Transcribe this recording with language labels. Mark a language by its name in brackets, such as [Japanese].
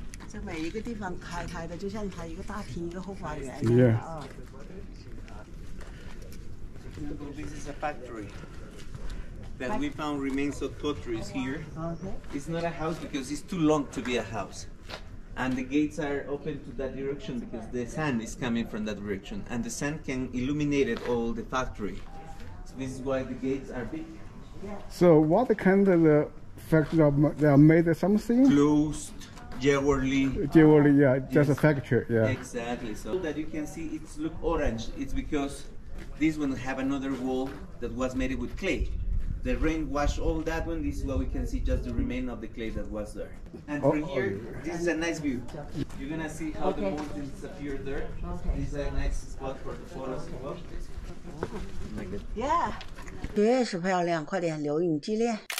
[Chinese] 这每一个地方开开的，就像它一个大厅、一个后花园一样的啊。Yeah. [English] This is a factory that we found remains of potteries here. Okay. It's not a house because it's too long to be a house, and the gates are open to that direction because the sun is coming from that direction, and the sun can illuminate all the factory. So this is why the gates are big. Yeah. So what kind of the factory they are made of something? Closed. Jewelry, yeah, just yes. A factory, yeah. Exactly, so that you can see it's look orange, it's because this one have another wall that was made with clay. The rain washed all that one, this is what we can see, just the remain of the clay that was there. And from here, this is a nice view. You're gonna see how the mountain disappeared there. Okay. This is a nice spot for the photos as well. [Chinese] Yeah, 确实漂亮，快点留影纪念。